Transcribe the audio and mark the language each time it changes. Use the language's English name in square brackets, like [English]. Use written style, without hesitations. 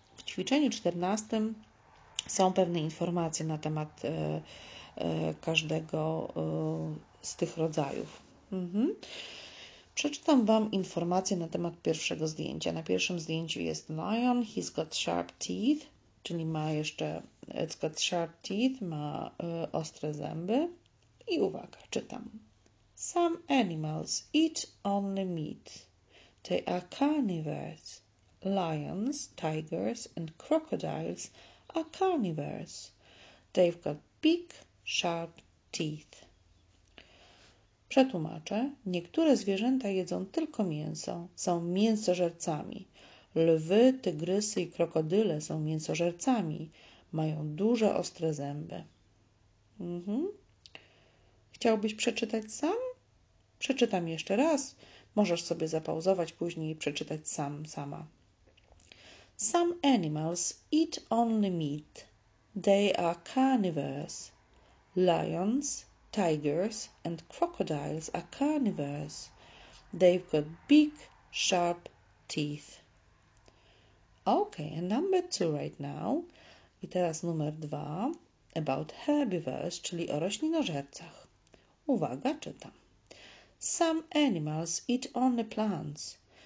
[Polish] W ćwiczeniu 14 są pewne informacje na temat każdego z tych rodzajów. Przeczytam Wam informacje na temat pierwszego zdjęcia. Na pierwszym zdjęciu jest lion, [English] he's got sharp teeth, [Polish] czyli ma jeszcze, [English] it's got sharp teeth, [Polish] ma ostre zęby. I uwaga, czytam. [English] Some animals eat only meat. They are carnivores. Lions, tigers and crocodiles are carnivores. They've got big, sharp teeth. [Polish] Przetłumaczę. Niektóre zwierzęta jedzą tylko mięso. Są mięsożercami. Lwy, tygrysy i krokodyle są mięsożercami. Mają duże, ostre zęby. Chciałbyś przeczytać sam? Przeczytam jeszcze raz. Możesz sobie zapauzować później i przeczytać sama. [English] Some animals eat only meat. They are carnivores. Lions, tigers and crocodiles are carnivores. They've got big, sharp teeth. Okay, and number two right now. [Polish] I teraz numer dwa. [English] About herbivores, [Polish] czyli o roślinożercach. Uwaga, czytam. [English] Some animals eat only plants.